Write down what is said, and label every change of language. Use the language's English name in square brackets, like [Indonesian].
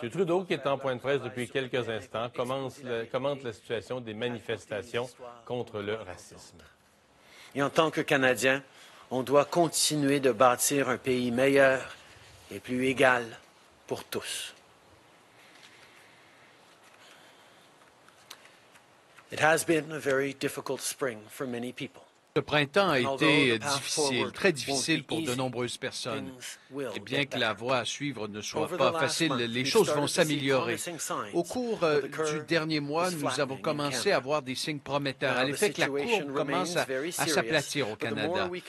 [French] Trudeau, qui est en point de presse depuis quelques instants, commente la situation des manifestations contre le racisme. Et en tant que Canadien, on doit continuer de bâtir un pays meilleur et plus égal pour tous. [English] It has been a very difficult spring for many people. [French] Ce printemps a été difficile, très difficile pour de nombreuses personnes. Et bien que la voie à suivre ne soit pas facile, les choses vont s'améliorer. Au cours du dernier mois, nous avons commencé à voir des signes prometteurs, à l'effet que la courbe commence à s'aplatir au Canada.